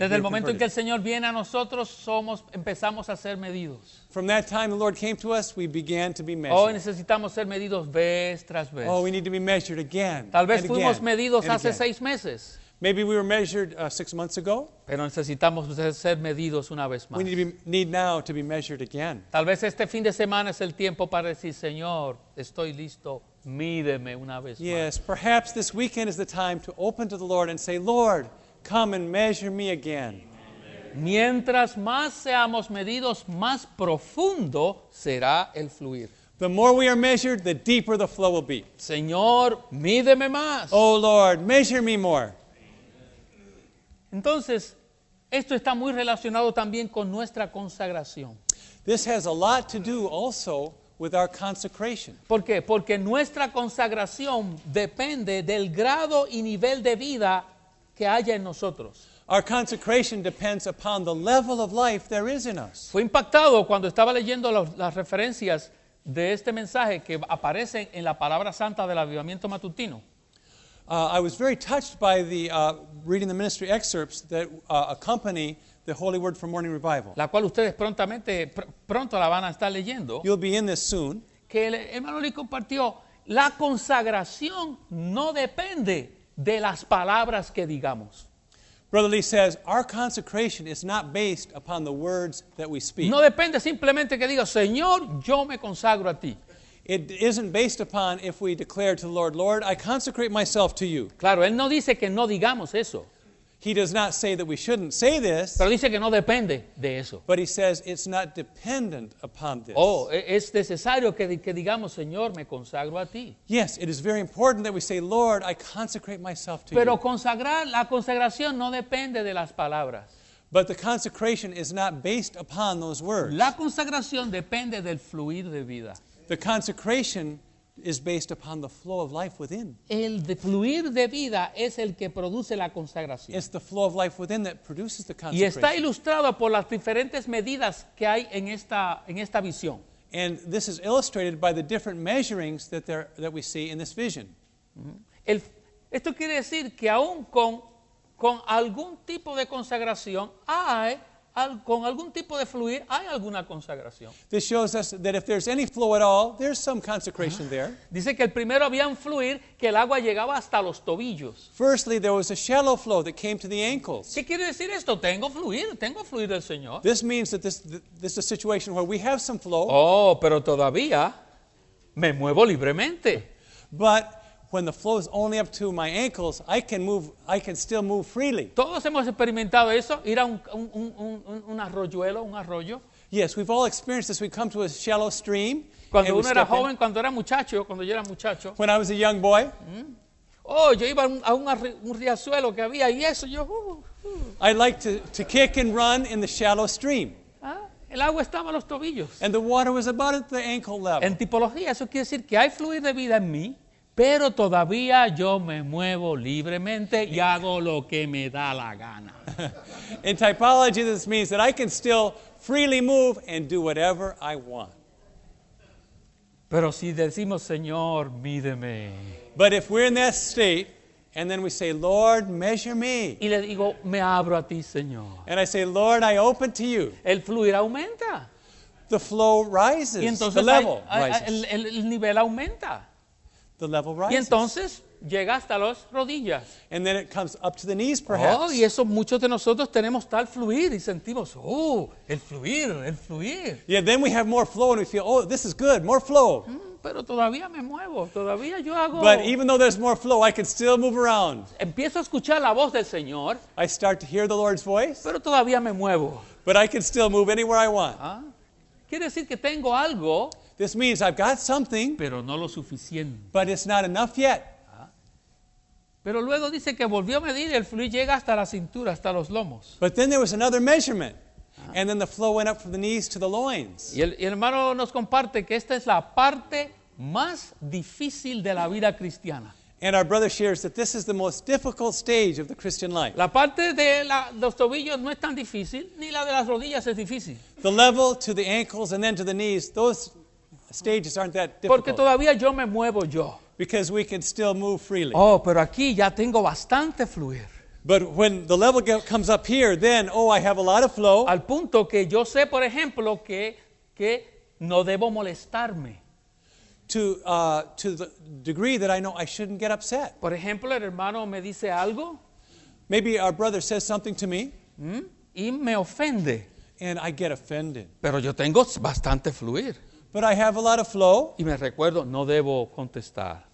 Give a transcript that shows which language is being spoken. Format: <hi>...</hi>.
<es>Desde el momento en que el Señor viene a nosotros, empezamos a ser medidos.</es> <en>From that time the Lord came to us, we began to be measured.</en> <es>Oh, necesitamos ser medidos vez tras vez.</es> <en>Oh, we need to be measured again.</en> <es>Tal vez fuimos medidos hace 6 meses.</es> <en>Maybe we were measured 6 months ago.</en> <es>Pero necesitamos ser medidos una vez más.</es> <en>We need now to be measured again.</en> <es>Tal vez este fin de semana es el tiempo para decir, Señor, estoy listo. Mídeme una vez más.</es> <en>Yes, perhaps this weekend is the time to open to the Lord and say, Lord, come and measure me again.</en> <es>Mientras más seamos medidos, más profundo será el fluir.</es> <en>The more we are measured, the deeper the flow will be.</en> <es>Señor, mídeme más.</es> <en>Oh Lord, measure me more.</en> <es>Entonces, esto está muy relacionado también con nuestra consagración.</es> <en>This has a lot to do also with our consecration.</en> <es>¿Por qué? Porque nuestra consagración depende del grado y nivel de vida que haya en nosotros.</es> <en>Our consecration depends upon the level of life there is in us.</en> <es>Fue impactado cuando estaba leyendo las referencias de este mensaje que aparecen en la palabra santa del avivamiento matutino.</es> <en>I was very touched by the reading the ministry excerpts that accompany the Holy Word for Morning Revival.</en> <es>La cual ustedes prontamente, pronto la van a estar leyendo.</es> <en>You'll be in this soon.</en> <es>Que el hermano Lee compartió, la consagración no depende de las palabras que digamos.</es> <en>Brother Lee says, our consecration is not based upon the words that we speak.</en> <es>No depende simplemente que diga, Señor, yo me consagro a ti.</es> <en>It isn't based upon if we declare to the Lord, Lord, I consecrate myself to you.</en> <es>Claro, él no dice que no digamos eso.</es> <en>He does not say that we shouldn't say this.</en> <es>Pero dice que no depende de eso.</es> <en>But he says it's not dependent upon this.</en> <es>Oh, es necesario que digamos, Señor, me consagro a ti.</es> <en>Yes, it is very important that we say, Lord, I consecrate myself to you.</en> <es>Pero consagrar, la consagración no depende de las palabras.</es> <en>But the consecration is not based upon those words.</en> <es>La consagración depende del fluir de vida.</es> <en>The consecration is based upon the flow of life within.</en> <es>El fluir de vida es el que produce la consagración.</es> <en>It's the flow of life within that produces the consecration.</en> <es>Y está ilustrado por las diferentes medidas que hay en esta visión.</es> <en>And this is illustrated by the different measurings that we see in this vision.</en> <es>Esto quiere decir que aún con algún tipo de consagración hay con algún tipo de fluir hay alguna consagración.</es> <en>This shows us that if there's any flow at all, there's some consecration there.</en> <es>Dice que el primero había un fluir que el agua llegaba hasta los tobillos.</es> <en>Firstly, there was a shallow flow that came to the ankles.</en> <es>¿Qué quiere decir esto? Tengo fluir del Señor.</es> <en>This means that this is a situation where we have some flow.</en> <es>Oh, pero todavía me muevo libremente.</es> <en>But when the flow is only up to my ankles, I can move. I can still move freely.</en> <es>Todos hemos experimentado eso, ir a un arroyuelo, un arroyo.</es> <en>Yes, we've all experienced this. We come to a shallow stream.</en> <es>Cuando uno era joven, cuando yo era muchacho.</es> <en>When I was a young boy.</en> <es>Oh, yo iba a un riachuelo que había y eso yo.</es> <en>I like to kick and run in the shallow stream.</en> <es>El agua estaba a los tobillos.</es> <en>And the water was about at the ankle level.</en> <es>En tipología, eso quiere decir que hay fluir de vida en mí, pero todavía yo me muevo libremente y hago lo que me da la gana.</es> <en>In typology, this means that I can still freely move and do whatever I want.</en> <es>Pero si decimos, Señor, mídeme.</es> <en>But if we're in that state, and then we say, Lord, measure me.</en> <es>Y le digo, me abro a ti, Señor.</es> <en>And I say, Lord, I open to you.</en> <es>El fluir aumenta.</es> <en>The flow rises.</en> <es>Y entonces</es> <en>the level rises.</en> <es>El nivel aumenta.</es> <en>The level rises.</en> <es>Y entonces llega hasta las rodillas.</es> <en>And then it comes up to the knees, perhaps.</en> <es>Oh, y eso muchos de nosotros tenemos tal fluir y sentimos, oh, el fluir.</es> <en>Yeah, then we have more flow and we feel, oh, this is good, more flow.</en> <es>Pero todavía me muevo, todavía yo hago.</es> <en>But even though there's more flow, I can still move around.</en> <es>Empiezo a escuchar la voz del Señor.</es> <en>I start to hear the Lord's voice.</en> <es>Pero todavía me muevo.</es> <en>But I can still move anywhere I want.</en> <es>Quiere decir que tengo algo.</es> <en>This means I've got something.</en> <es>Pero no lo suficiente.</es> <en>But it's not enough yet.</en> <es>Pero luego dice que volvió a medir y el fluir llega hasta la cintura, hasta los lomos.</es> <en>But then there was another measurement. And then the flow went up from the knees to the loins.</en> <es>Y el hermano nos comparte que esta es la parte más difícil de la vida cristiana.</es> <en>And our brother shares that this is the most difficult stage of the Christian life.</en> <es>La parte de los tobillos no es tan difícil, ni la de las rodillas es difícil.</es> <en>The level to the ankles and then to the knees, those stages aren't that difficult.</en> <es>Porque todavía yo me muevo yo.</es> <en>Because we can still move freely.</en> <es>Oh, pero aquí ya tengo bastante fluir.</es> <en>But when the level comes up here, then, oh, I have a lot of flow.</en> <es>Al punto que yo sé, por ejemplo, que no debo molestarme.</es> <en>To the degree that I know I shouldn't get upset.</en> <es>Por ejemplo, el hermano me dice algo.</es> <en>Maybe our brother says something to me.</en> <es>Y me ofende.</es> <en>And I get offended.</en> <es>Pero yo tengo bastante fluir.</es> <en>But I have a lot of flow.</en> <es>Y me recuerdo, no debo contestar.</es>